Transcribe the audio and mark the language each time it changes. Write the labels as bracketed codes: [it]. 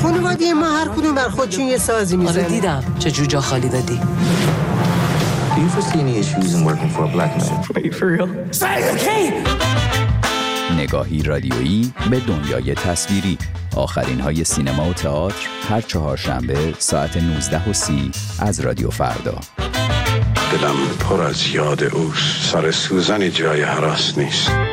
[fa] خانواده ما هر کدوم بر خود چون یه سازی میزنه. آره دیدم چه جوجا خالی دادی. [en] Do you foresee any issues in working for a black man? Are you for real? Say it again! [fa] نگاهی رادیویی به دنیای تصویری. آخرین های سینما و تئاتر هر چهارشنبه ساعت 19:30 از رادیو فردا. دلم پر از یاد اوست. سر سوزنی جای هراس نیست.